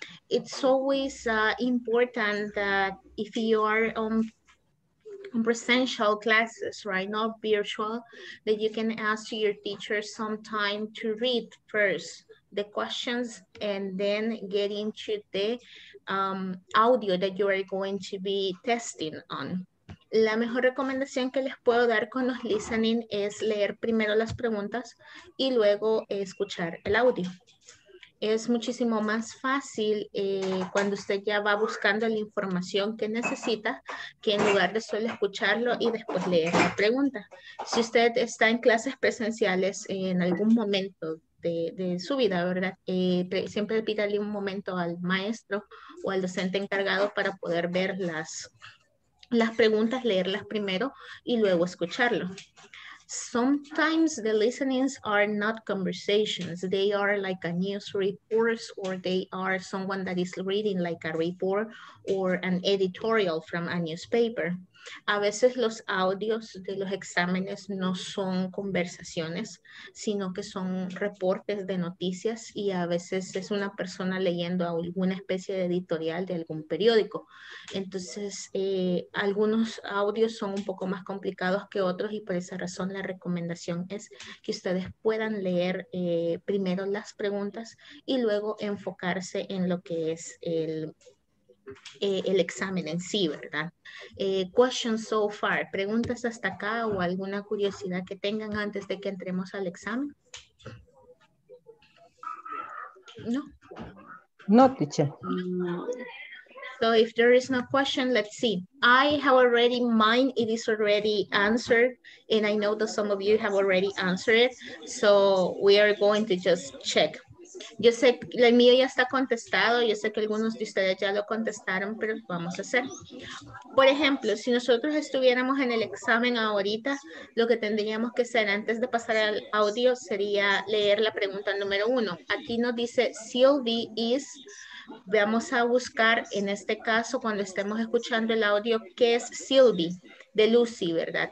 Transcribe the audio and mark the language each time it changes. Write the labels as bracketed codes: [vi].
[en] It's always important that if you are on presential classes, right, not virtual, that you can ask your teacher some time to read first the questions and then get into the audio that you are going to be testing on. [es] La mejor recomendación que les puedo dar con los listening es leer primero las preguntas y luego escuchar el audio. Es muchísimo más fácil cuando usted ya va buscando la información que necesita que en lugar de solo escucharlo y después leer la pregunta. Si usted está en clases presenciales en algún momento de su vida, ¿verdad? Siempre pídale un momento al maestro o al docente encargado para poder ver las preguntas, leerlas primero y luego escucharlo. [en] Sometimes the listenings are not conversations. They are like a news report, or they are someone that is reading like a report or an editorial from a newspaper. [es] A veces los audios de los exámenes no son conversaciones, sino que son reportes de noticias y a veces es una persona leyendo alguna especie de editorial de algún periódico. Entonces, algunos audios son un poco más complicados que otros y por esa razón la recomendación es que ustedes puedan leer primero las preguntas y luego enfocarse en lo que es el examen en sí, ¿verdad? [en] Questions so far, [es] ¿preguntas hasta acá o alguna curiosidad que tengan antes de que entremos al examen? ¿No? [en] No, teacher. So if there is no question, let's see. I have already, mine, it is already answered, and I know that some of you have already answered it, so we are going to just check. [es] Yo sé que el mío ya está contestado, yo sé que algunos de ustedes ya lo contestaron, pero vamos a hacer. Por ejemplo, si nosotros estuviéramos en el examen ahorita, lo que tendríamos que hacer antes de pasar al audio sería leer la pregunta número uno. Aquí nos dice, [en] Sylvie is, [es] vamos a buscar en este caso cuando estemos escuchando el audio, ¿qué es Sylvie? De Lucy, ¿verdad?